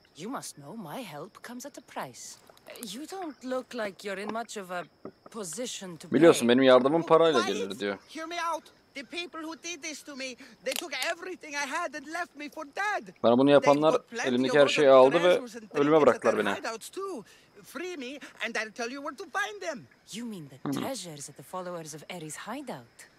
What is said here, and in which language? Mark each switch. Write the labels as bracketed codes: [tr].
[en] You must know my help comes at a price. You don't look like you're in much of a position to pay. [tr] Biliyorsun benim yardımım parayla gelir diyor. [en] Hear me out. The people who did this to me, they took everything I had and left me for dead. [tr] Bana bunu yapanlar elimdeki her şeyi aldı ve ölüme bıraktılar beni. [en] Free me and I'll tell you where to find them. You mean the treasures at the followers of Eri's hideout?